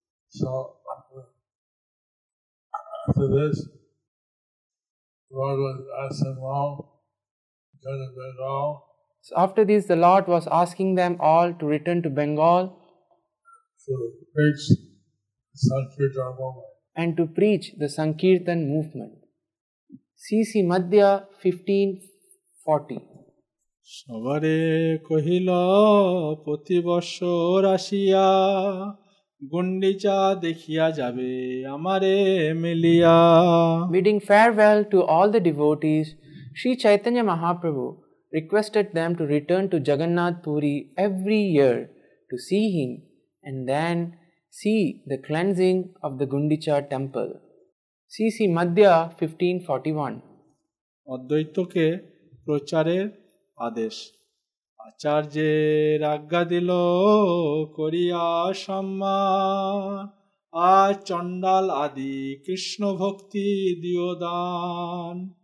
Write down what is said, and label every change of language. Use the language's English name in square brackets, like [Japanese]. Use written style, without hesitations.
[English] So, after this, the Lord was asking them all to return to Bengal. So, after this, the Lord was asking them all to return to Bengal. To preach the Sankirtan movement. And to preach the Sankirtan movement. C.C. Madhya 1540. [Bangla] সবরে কহিল প্রতি বর্ষ Russia Gundicha দেখিয়া যাবে আমারে মিলিয়া. [English] Bidding farewell to all the devotees, Sri Chaitanya Mahaprabhu requested them to return to Jagannath Puri every year to see him and then see the cleansing of the Gundicha temple. C.C. Madhya 1541. [Bangla] অদ্বৈতকে প্রচারের আদেশ আচার্যের আজ্ঞা দিল করিয়া সম্মান আর চণ্ডাল আদি কৃষ্ণ ভক্তি দিও দান.